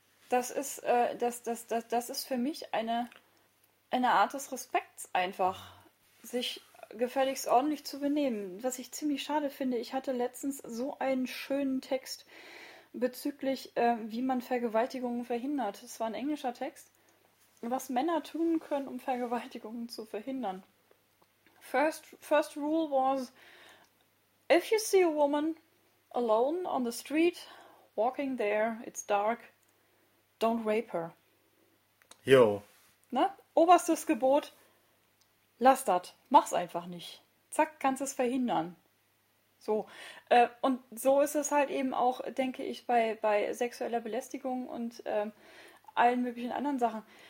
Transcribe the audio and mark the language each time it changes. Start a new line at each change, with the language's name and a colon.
German: Das ist für mich eine Art des Respekts einfach, sich gefälligst ordentlich zu benehmen. Was ich ziemlich schade finde, ich hatte letztens so einen schönen Text bezüglich, wie man Vergewaltigungen verhindert. Es war ein englischer Text. Was Männer tun können, um Vergewaltigungen zu verhindern.
English: First rule was, if you see a woman alone on the street, walking there, it's dark, don't rape her.
German: Jo. Ne? Oberstes Gebot, lass das, mach's einfach nicht. Zack, kannst es verhindern. So. Und so ist es halt eben auch, denke ich, bei sexueller Belästigung und allen möglichen anderen Sachen.